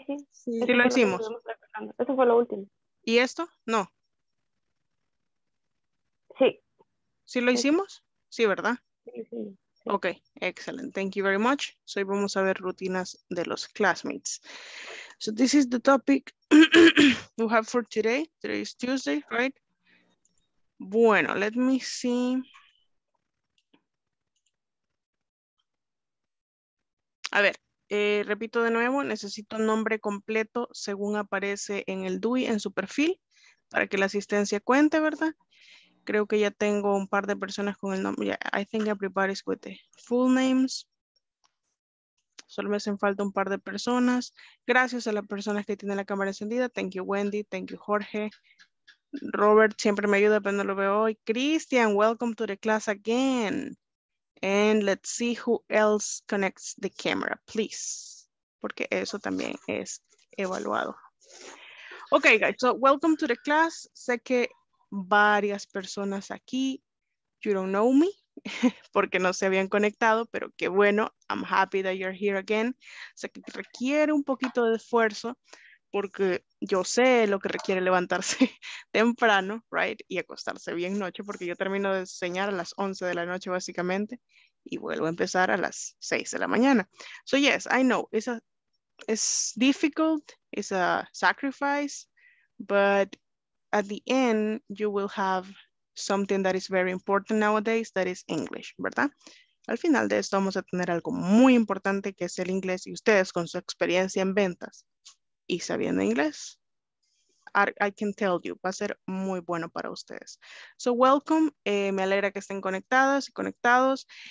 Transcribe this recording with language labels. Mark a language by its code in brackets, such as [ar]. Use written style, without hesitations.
[es] Sí, lo hicimos. Eso fue lo último. ¿Y esto? No. Sí. ¿Sí lo hicimos? Sí, ¿verdad? Sí. [en] Ok, excellent. Thank you very much. [es] Hoy vamos a ver rutinas de los classmates. [en] So this is the topic we have for today. Today is Tuesday, right? Bueno, let me see. [es] A ver, repito de nuevo, necesito nombre completo según aparece en el DUI en su perfil para que la asistencia cuente, ¿verdad? Creo que ya tengo un par de personas con el nombre. [en] Yeah, I think everybody's with the full names. [es] Solo me hacen falta un par de personas. Gracias a las personas que tienen la cámara encendida. [en] Thank you, Wendy. Thank you, Jorge. [es] Robert siempre me ayuda, pero no lo veo hoy. [en] Christian, welcome to the class again. And let's see who else connects the camera, please. [es] Porque eso también es evaluado. [en] Okay, guys. So, welcome to the class. [es] Sé que varias personas aquí, [en] you don't know me, [es] porque no se habían conectado, pero qué bueno, [en] I'm happy that you're here again. [es] Sé que requiere un poquito de esfuerzo, porque yo sé lo que requiere levantarse temprano, right, y acostarse bien noche, porque yo termino de enseñar a las 11 de la noche, básicamente, y vuelvo a empezar a las 6 de la mañana. [en] So yes, I know, it's difficult, it's a sacrifice, but at the end, you will have something that is very important nowadays, that is English, ¿verdad? [es] Al final de esto vamos a tener algo muy importante que es el inglés y ustedes con su experiencia en ventas y sabiendo inglés, [en] I can tell you, [es] va a ser muy bueno para ustedes. [en] So welcome, [es] me alegra que estén conectadas y conectados.